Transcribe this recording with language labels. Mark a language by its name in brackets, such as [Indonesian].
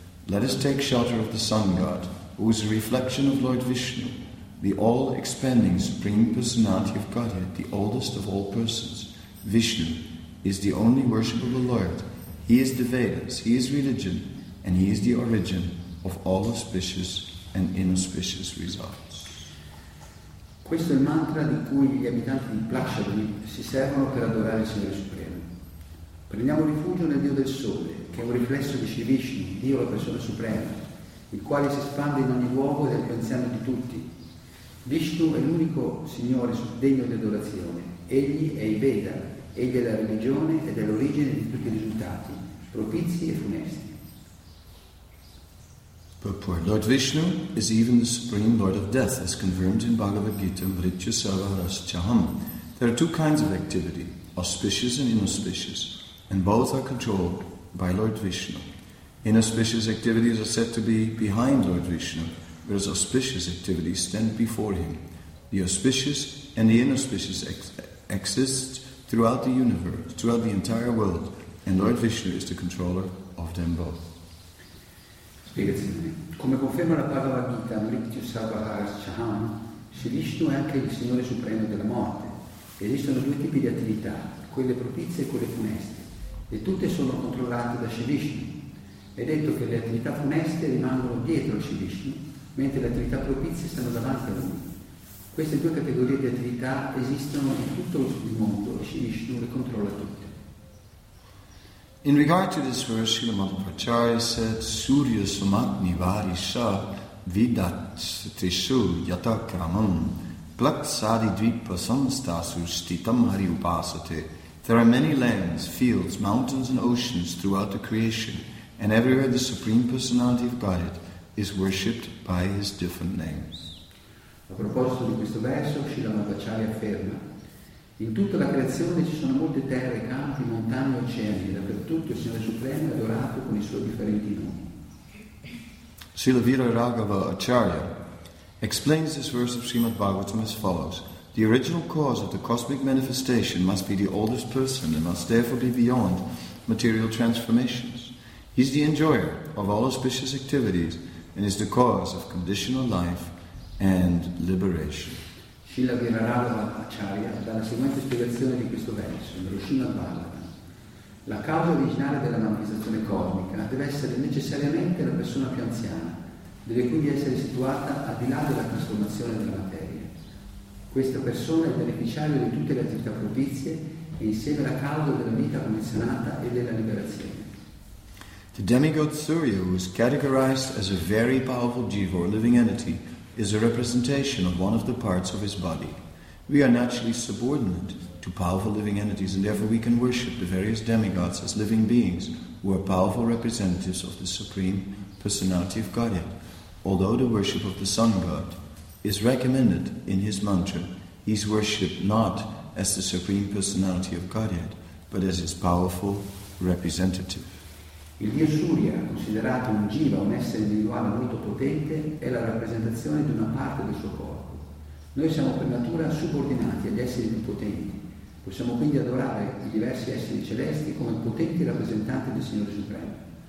[English] Let us take shelter of the Sun God, who is a reflection of Lord Vishnu, the all-expanding Supreme Personality of Godhead, the oldest of all persons. Vishnu is the only worshipable Lord. He is the Vedas, he is religion, and he is the origin of all auspicious and inauspicious results. [Italian] Questo è il mantra di cui gli abitanti di Plaksadweep si servono per adorare il Signore Supremo. Prendiamo rifugio nel Dio del Sole, che è un riflesso di Shri Vishnu, Dio la Persona Suprema, il quale si espande in ogni luogo ed è il più anziano di tutti. Vishnu è l'unico Signore degno di adorazione. Egli è il Veda, egli è la religione ed è l'origine di tutti i risultati, propizi e funesti. [English] Purport. Lord Vishnu is even the Supreme Lord of Death, as confirmed in Bhagavad Gita, [Sanskrit] Mritya Sarva Rascham. [English] There are two kinds of activity, auspicious and inauspicious, and both are controlled by Lord Vishnu. Inauspicious activities are said to be behind Lord Vishnu, whereas auspicious activities stand before him. The auspicious and the inauspicious exist throughout the universe, throughout the entire world, and Lord Vishnu is the controller of them both. [Italian] Spiegazione. Come conferma la Bhagavad Gita, [Sanskrit] Mritya Sarva Rascham, [Italian] Shri Vishnu è anche il Signore Supremo della morte. Esistono due tipi di attività, quelle propizie e quelle funeste, e tutte sono controllate da Shri Vishnu. È detto che le attività funeste rimangono dietro a Shri Vishnu, mentre le attività propizie stanno davanti a lui. Queste due categorie di attività esistono in tutto il mondo e Shri Vishnu le controlla tutte. [English] In regard to this verse, Srila Madhvacharya said, [Sanskrit] Surya Sumatni Varisha Vidatishu Yatakramam Plaksadi Dvipa Samstasu Stitam Hari Upasate. [English] There are many lands, fields, mountains, and oceans throughout the creation, and everywhere the Supreme Personality of Godhead is worshipped by his different names. [Italian] A proposito di questo verso, Srila Madhvacharya afferma. In tutta la creazione ci sono molte terre, campi, montagne, oceani, dappertutto il Signore Supremo è adorato con i suoi differenti nomi. [English] Srila Viraraghava Acharya explains this verse of Srimad Bhagavatam as follows. The original cause of the cosmic manifestation must be the oldest person and must therefore be beyond material transformations. He is the enjoyer of all auspicious activities and is the cause of conditional life and liberation. [Italian] Srila Viraraghava Acharya dà la seguente spiegazione di questo verso, nello Srimad Bhagavatam. La causa originale della manifestazione cosmica deve essere necessariamente la persona più anziana, deve quindi essere situata al di là della trasformazione della materia. Questa persona è il beneficiario di tutte le attività propizie e insieme la causa della vita condizionata e della liberazione. [English] The demigod Surya, who is categorized as a very powerful jiva or living entity, is a representation of one of the parts of his body. We are naturally subordinate to powerful living entities, and therefore we can worship the various demigods as living beings who are powerful representatives of the Supreme Personality of Godhead. Although the worship of the Sun God is recommended in his mantra, he is worshipped not as the Supreme Personality of Godhead, but as his powerful representative. [Italian] Il Dio Surya, considerato un jiva, un essere individuale molto potente, è la rappresentazione di una parte del suo corpo. Noi siamo per natura subordinati agli esseri più potenti. Possiamo quindi adorare i diversi esseri celesti come potenti rappresentanti del Signore Supremo.